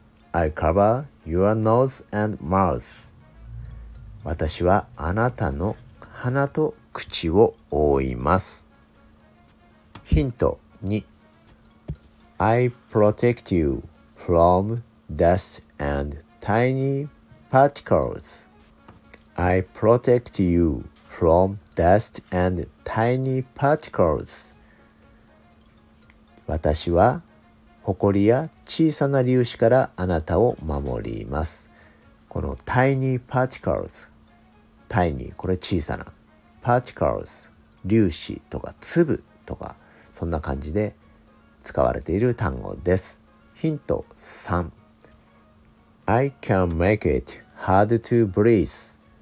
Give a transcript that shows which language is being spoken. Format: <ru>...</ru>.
<en>I cover your nose and mouth。</en> <ja>私はあなたの鼻と口を覆います。</ja> <en>ヒント2、 I protect you from dust and tiny particles。 I protect you from dust and tiny particles。</en> <ja>私は埃や小さな粒子からあなたを守ります。この tiny particles、 tiny、 これ小さな、 particles、 粒子とか粒とか、そんな感じで使われている単語です。</ja> <en>ヒント3、 I can make it hard to breathe。</en>